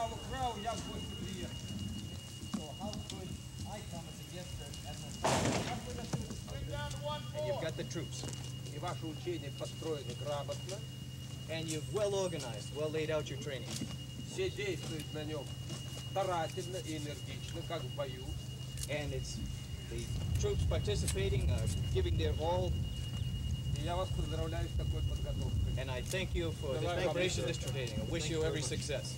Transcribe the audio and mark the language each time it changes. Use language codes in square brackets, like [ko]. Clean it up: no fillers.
[ru] Crowe, я в гости приехал. [en] So how could I come as a guest to Admiral? Bring down one more. And you've got the troops. [ru] И ваше учение построено грамотно. [en] And you've well organized, well laid out your training. [ru] Все действуют на нем старательно и энергично, как в бою. [en] And it's the troops participating, giving their all. [ru] Я вас поздравляю с такой подготовкой. [en] And I thank you for the preparation of this training. I wish you every success.